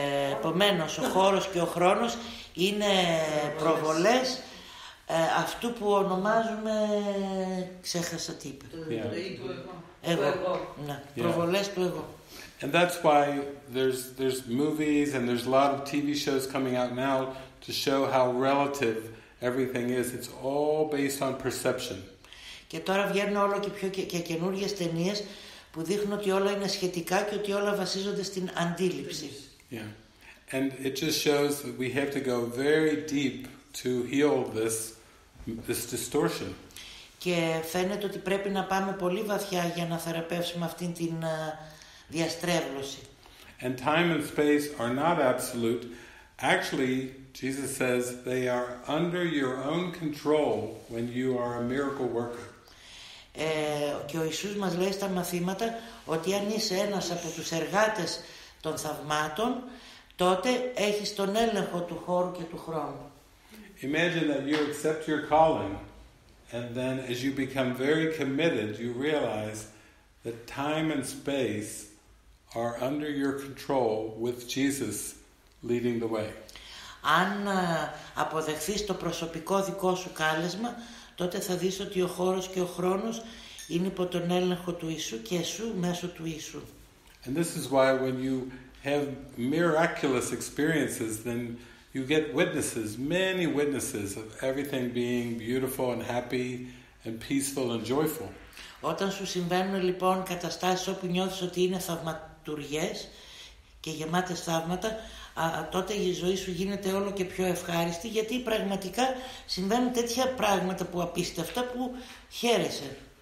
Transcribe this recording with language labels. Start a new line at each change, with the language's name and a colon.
Greek: Επομένως, ο χώρος και ο χρόνος είναι προβολές αυτού που ονομάζουμε, ξέχασα τι είπε. Εγώ. Ναι, προβολές του εγώ.
English: And that's why there's movies and there's a lot of TV shows coming out now to show how relative everything is. It's all based on perception.
Greek: Και τώρα βγαίνουν όλο και πιο και καινούργιες ταινίες που δείχνουν ότι όλα είναι σχετικά και ότι όλα βασίζονται στην αντίληψη.
English: Yeah. And it just shows that we have to go very deep to heal this distortion.
Greek: Και φαίνεται ότι πρέπει να πάμε πολύ βαθιά για να θεραπεύσουμε αυτήν την διαστρέβλωση.
English: And time and space are not absolute. Actually, Jesus says they are under your own control when you are a miracle worker.
Greek: Και ο Ιησούς μας λέει στα μαθήματα ότι αν είσαι ένας από τους εργάτες των θαυμάτων, τότε έχεις τον έλεγχο του χώρου και του χρόνου.
English: Imagine that you accept your calling and then as you become very committed, you realize that time and space are under your control with Jesus leading the way.
Greek: Αν αποδεχθείς το προσωπικό δικό σου κάλεσμα, τότε θα δεις ότι ο χώρος και ο χρόνος είναι υπό τον έλεγχο του Ιησού και σου μέσω του Ιησού.
English: And this is why when you have miraculous experiences, then you get witnesses, many witnesses of everything being beautiful and happy and peaceful and joyful.
Greek: Όταν σου συμβαίνουν λοιπόν καταστάσεις όπου νιώθεις ότι είναι θαυματουργές και γεμάτες θαύματα, τότε η ζωή σου γίνεται όλο και πιο ευχάριστη, γιατί πραγματικά συμβαίνουν τέτοια πράγματα που απίστευτα που χαίρεσαι.